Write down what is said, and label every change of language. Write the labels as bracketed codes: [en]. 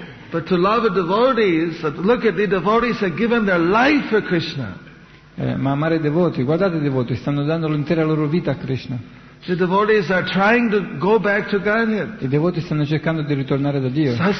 [en] But to love the devotees, look at the devotees have given their life for Krishna. [it] Ma amare i devoti, guardate i devoti, stanno dando l'intera loro vita a Krishna. [en] The devotees are trying to go back to Godhead. [it] I devoti stanno cercando di ritornare da Dio.